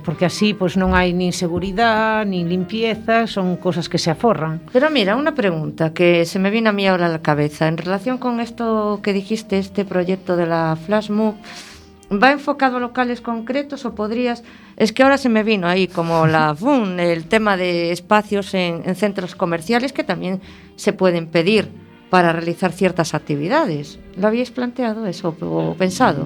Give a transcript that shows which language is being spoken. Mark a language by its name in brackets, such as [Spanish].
[Galician] Porque así pues, non hai nin seguridad, nin limpieza, son cosas que se aforran. [Spanish] Pero mira, unha pregunta que se me vino a mí ahora a la cabeza. En relación con esto que dijiste, este proyecto de la Flashmob, ¿va enfocado a locales concretos o podrías...? Es que ahora se me vino ahí como la FUN, el tema de espacios en centros comerciales que también se pueden pedir. Para realizar ciertas actividades. ¿Lo habíais planteado eso o pensado?